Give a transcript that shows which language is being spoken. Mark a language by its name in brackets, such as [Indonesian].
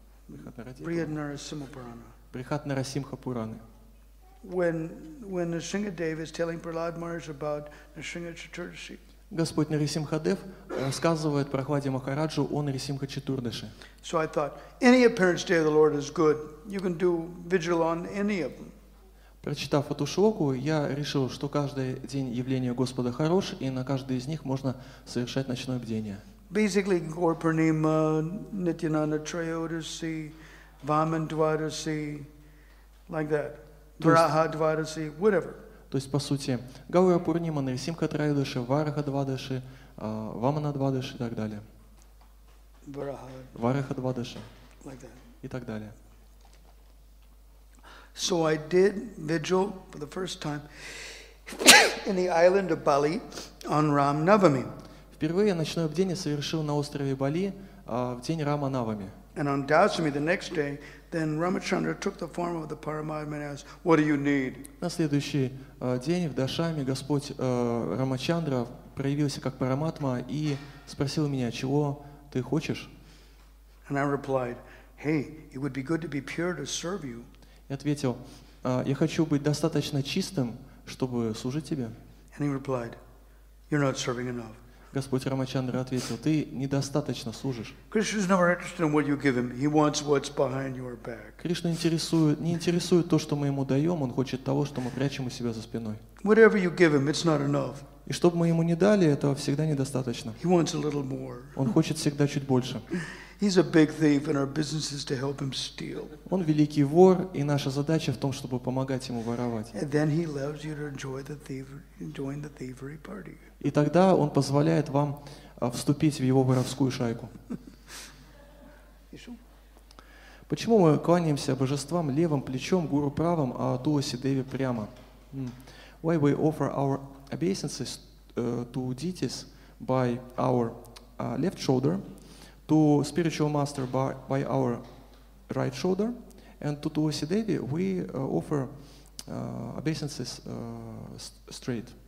[Russian] Брихаднарасимха Пурана. Брихаднарасимха Пураны. [English] When Narasimha Dev is telling Prahlad Maharaj about Narasimha Chaturdashi. [Russian] Господь Нарисимхадев рассказывает Прахладе Махараджу о Нарисимха Четурдаше. [English] So I thought, any appearance day of the Lord is good. You can do vigil on any of them. [Russian] Прочитав эту шлоку, я решил, что каждый день явления Господа хорош, и на каждый из них можно совершать ночное бдение. [English] Basically, Gaur Purnima, Nityananda Trayodasi, Vaman Dvadasi, like that. Vraha Dvadasi, whatever. [Russian] То есть, по сути, Гаура Пурнима, Нарисимха Трайдаши, Вараха Двадаши, Вамана Двадаши и так далее. Вараха Двадаши и так далее. [English] So I did vigil for the first time in the island of Bali on Ram Navami. [Russian] Впервые ночное бдение совершил на острове Бали в день Рама Навами. [English] And on Dasami the next day, then Ramachandra took the form of the Paramatma and asked, "What do you need?" [Russian] На следующий день в Дашами Господь Рамачандра проявился как Параматма и спросил меня, чего ты хочешь? [English] And I replied, "Hey, it would be good to be pure to serve you." [Russian] И ответил, я хочу быть достаточно чистым, чтобы служить тебе. [English] And he replied, "You're not serving enough." [Russian] Господь Рамачандра ответил, ты недостаточно служишь. [English] Krishna is never interested in what you give him. He wants what's behind your back. [Russian] Кришна не интересует то, что мы ему даем, он хочет того, что мы прячем у себя за спиной. [English] Whatever you give him, it's not enough. [Russian] И что бы мы ему не дали, этого всегда недостаточно. [English] He wants a little more. [Russian] Он хочет всегда чуть больше. [English] He's a big thief, and our business is to help him steal. [Russian] Он великий вор, и наша задача в том, чтобы помогать ему воровать. [English] And then he loves you to enjoy the thievery, join the thievery party. [Russian] И тогда он позволяет вам вступить в его воровскую шайку. Почему мы кланяемся божествам левым плечом, гуру правым, а Туласи Деви прямо? [English] Why we offer our obeisances to deities by our left shoulder, to spiritual master by our right shoulder, and to Tulasi Devi we offer obeisances straight.